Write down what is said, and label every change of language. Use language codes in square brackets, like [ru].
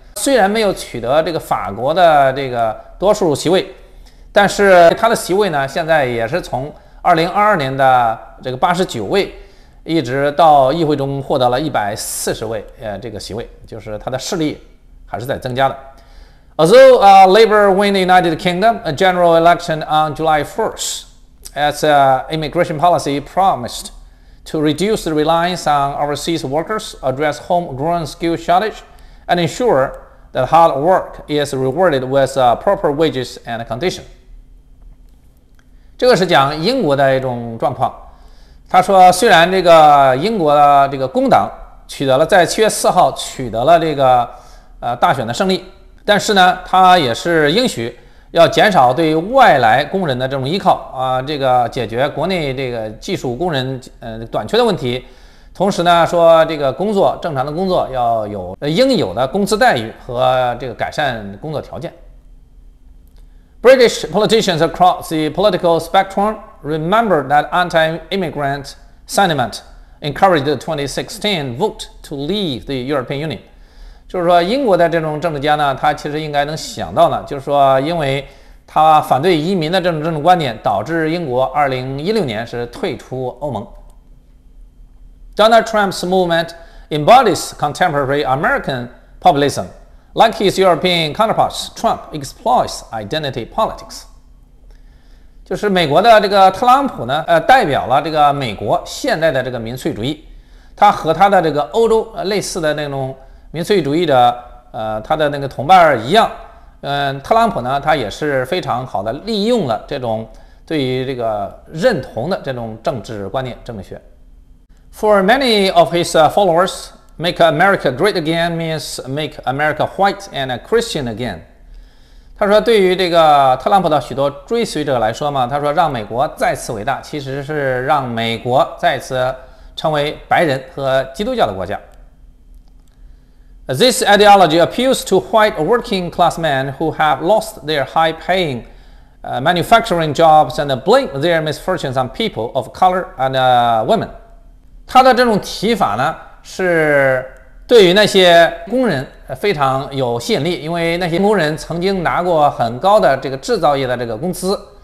[zh] 虽然没有取得这个法国的这个多数席位，但是他的席位呢现在也是从2022年的这个89位。一直到议会中获得了140位这个席位，就是他的势力还是在增加的。 [en] Although Labour win the United Kingdom a general election on July 1st as immigration policy promised to reduce the reliance on overseas workers, address homegrown skill shortage, and ensure that hard work is rewarded with proper wages and condition. [zh] 这个是讲英国的一种状况。他说虽然这个英国的这个工党取得了在7月4号取得了这个大选的胜利，但是呢他也是应许要减少对外来工人的这种依靠这个解决国内这个技术工人短缺的问题，同时呢说这个工作正常的工作要有应有的工资待遇和这个改善工作条件。 [en] British politicians across the political spectrum remembered that anti-immigrant sentiment encouraged the 2016 vote to leave the European Union. [zh] 就是说英国的这种政治家呢，他其实应该能想到呢，就是说因为他反对移民的这种政治观点导致英国2016年是退出欧盟。 [en] Donald Trump's movement embodies contemporary American populism. Like his European counterparts, Trump exploits identity politics. [zh] 就是美国的这个特朗普呢，代表了这个美国现代的这个民粹主义。他和他的这个欧洲类似的那种民粹主义的他的那个同伴一样，特朗普呢，他也是非常好的利用了这种对于这个认同的这种政治观念、政治学。 [en] For many of his followers. Make America great again means make America white and Christian again. [zh] 他说对于这个特朗普的许多追随者来说嘛，他说让美国再次伟大其实是让美国再次成为白人和基督教的国家。 [en] This ideology appeals to white working class men who have lost their high paying manufacturing jobs and blame their misfortunes on people of color and women. [zh] 他的这种提法呢是对于那些工人非常有吸引力，因为那些工人曾经拿过很高的这个制造业的这个工资，